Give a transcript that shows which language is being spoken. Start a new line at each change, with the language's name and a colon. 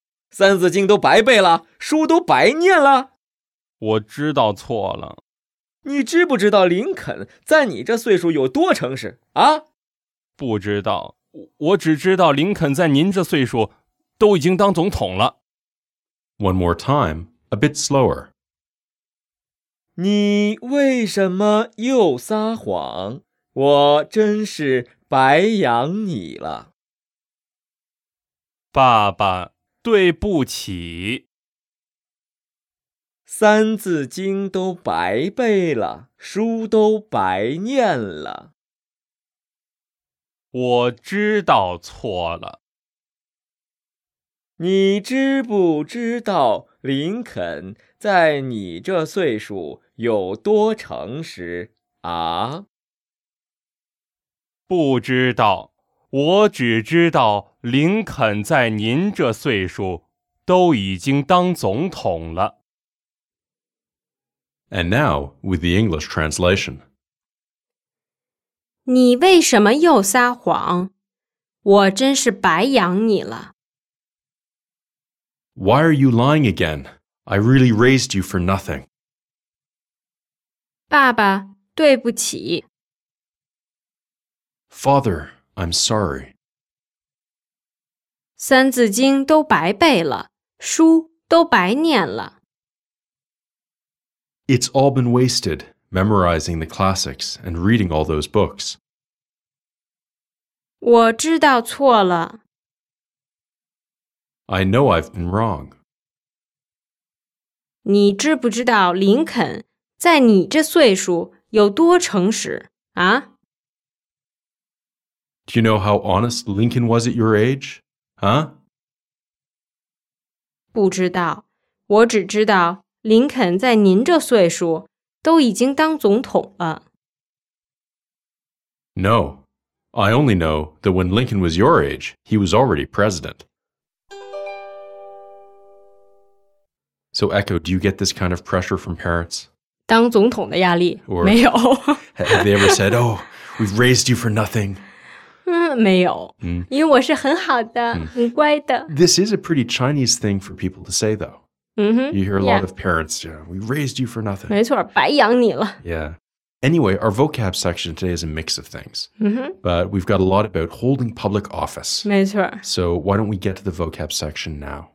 Chinese: 三字经都白背了，书都白念了。我知道错了。你知不知道林肯在你这岁数有多诚实啊？不知道，我只知道林肯在您这岁数都已经当总统了。
English: One more time, a bit slower.
Chinese: 你为什么又撒谎？我真是白养你了。爸爸。对不起，三字经都白背了，书都白念了。我知道错了。你知不知道林肯在你这岁数有多诚实啊？不知道，我只知道林肯在您这岁数都已经当总统了。
English: And now, with the English translation.
Chinese: 你为什么又撒谎？我真是白养你了。
English: Why are you lying again? I really raised you for nothing.
Chinese: 爸爸，对不起。
English: Father, I'm sorry.
Chinese: 三字经都白背了，书都白念了。
English: It's all been wasted, memorizing the classics and reading all those books.
Chinese: 我知道错了。
English: I know I've been wrong.
Chinese: 你知不知道林肯在你这岁数有多诚实啊？
English: Do you know how honest Lincoln was at your age? Huh?
Chinese: 不知道，我只知道林肯在您这岁数都已经当总统了。
English: No, I only know that when Lincoln was your age, he was already president. So Echo, do you get this kind of pressure from parents?
Chinese: 当总统的压力？没有。
English: Have they ever said, oh, we've raised you for nothing?
Chinese: 没有、嗯、因为我是很好的、嗯、很乖的。
English: This is a pretty Chinese thing for people to say, though.、 Mm-hmm, you hear a lot、yeah. of parents, you know, we raised you for nothing.
Chinese: 没错，白养你了。 Yeah.
English: Anyway, our vocab section today is a mix of things.、 Mm-hmm. But we've got a lot about holding public office.
Chinese: 没错。
English: So why don't we get to the vocab section now?